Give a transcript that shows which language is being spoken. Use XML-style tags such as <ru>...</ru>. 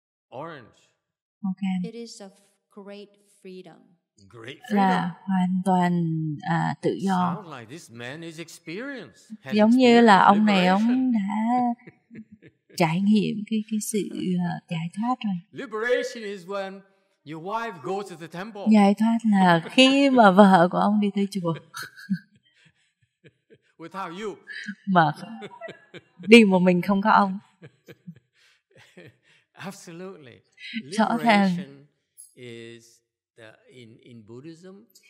<en>Orange. Okay. It is of great freedom. Great freedom.</en> <vi>Là hoàn toàn tự do.</vi> <en>Sound like this man is experienced.</en> <vi>Giống như là ông này ông đã trải nghiệm cái sự giải thoát rồi.</vi> <en>Liberation is when your wife goes to the temple.</en> <vi>Giải thoát là khi mà vợ của ông đi tới chùa.</vi> <en>Without you.</en> <vi>Mà đi một mình không có ông.</vi> <en>Absolutely.</en> <vi>Rõ ràng.</vi> <en>Is the in Buddhism,</en>